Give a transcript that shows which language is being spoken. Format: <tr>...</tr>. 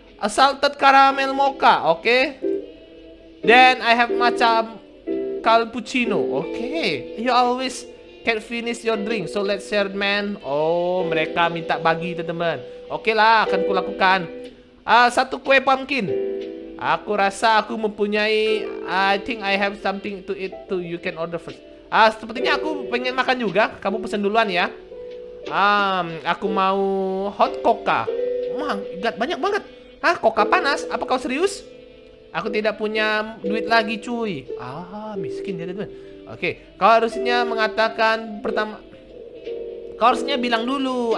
<en>Salted caramel mocha. Oke. Okay. Then I have macam cappuccino. Oke. Okay. You always can't finish your drink. So let's share, man.</en> <id>Oh, mereka minta bagi, teman-teman. Oke okay lah, akan kulakukan. Satu kue pumpkin. Aku rasa aku mempunyai...</id> <en>I think I have something to eat too. You can order first.</en> <id>Sepertinya aku pengen makan juga. Kamu pesan duluan ya. Aku mau hot coca. Mangat banyak banget. Hah, coca panas? Apa kau serius? Aku tidak punya duit lagi, cuy. Miskin dia, teman. Oke, kau harusnya mengatakan pertama. Kau harusnya bilang dulu.</id>